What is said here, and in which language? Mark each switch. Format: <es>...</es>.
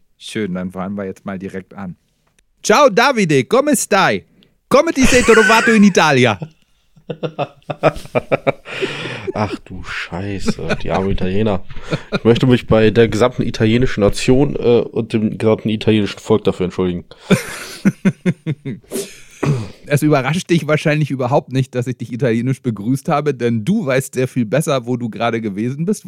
<de>Schön, dann fangen wir jetzt mal direkt an.</de> <it>Ciao, Davide, come stai? Come ti sei trovato in Italia?</it> <de>Ach du Scheiße, die armen Italiener. Ich möchte mich bei der gesamten italienischen Nation und dem gesamten italienischen Volk dafür entschuldigen. Es überrascht dich wahrscheinlich überhaupt nicht, dass ich dich italienisch begrüßt habe, denn du weißt sehr viel besser, wo du gerade gewesen bist.</de>